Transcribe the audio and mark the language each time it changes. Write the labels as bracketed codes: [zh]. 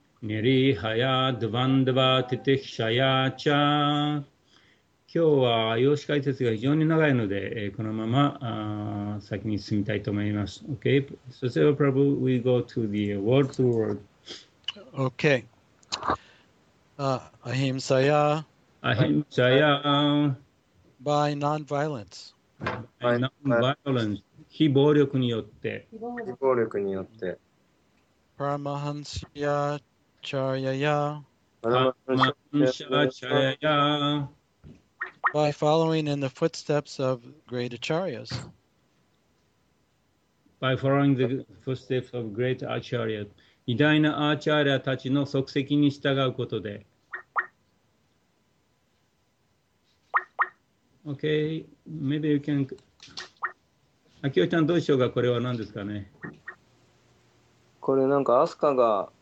[sa] Nirihaya dvandva titikshaya cha [ja] 今日は用紙解説が非常に長いので、このまま先に進みたいと思います。 [en] OK? So, Sr. Prabhu, we go to the word to word. [sa] OK. Ahimsaya. Ahimsaya. [en] By non-violence. By non-violence. [ja] 非暴力によって。非暴力によって。 [sa] Paramahansa Charyaya. Paramahansa Charyaya. [en] By following in the footsteps of great acharyas. By following the footsteps of great acharya. [ja] 偉大なアーチャーリアたちの足跡に従うことで。 [en] Okay, maybe you can... [ja] アキオちゃんどうしようか、これは何ですかね。これなんかアスカが